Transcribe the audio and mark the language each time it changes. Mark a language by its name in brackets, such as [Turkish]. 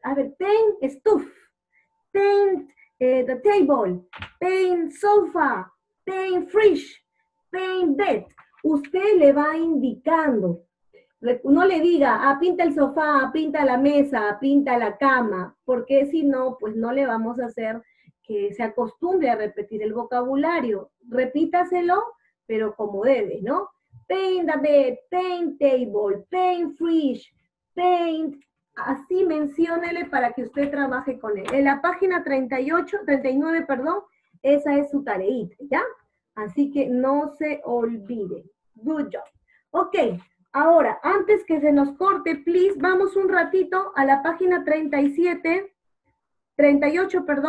[English] A ver, paint stove, paint the table, paint sofa, paint fridge, paint bed. [Spanish] Usted le va indicando. No le diga, pinta el sofá, pinta la mesa, pinta la cama, porque si no, pues no le vamos a hacer que se acostumbre a repetir el vocabulario. Repítaselo, pero como debe, ¿no? [English] Paint the bed, paint table, paint fridge, paint. [Spanish] Así menciónele para que usted trabaje con él. En la página 39, esa es su tareita, ¿ya? Así que no se olvide. [English] Good job. [Spanish] Ok, ahora, antes que se nos corte, please, vamos un ratito a la página 38.